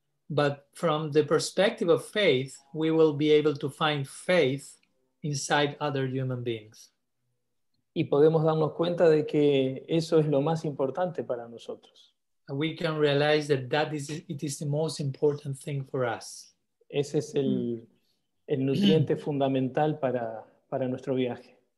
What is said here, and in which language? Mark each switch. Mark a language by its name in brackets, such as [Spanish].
[English] But from the perspective of faith, we will be able to find faith inside other human beings. [Spanish] Y podemos darnos cuenta de que eso es lo más importante para nosotros. [English] We can realize that it is the most important thing for us. [Spanish] Ese es el nutriente fundamental para nuestro viaje.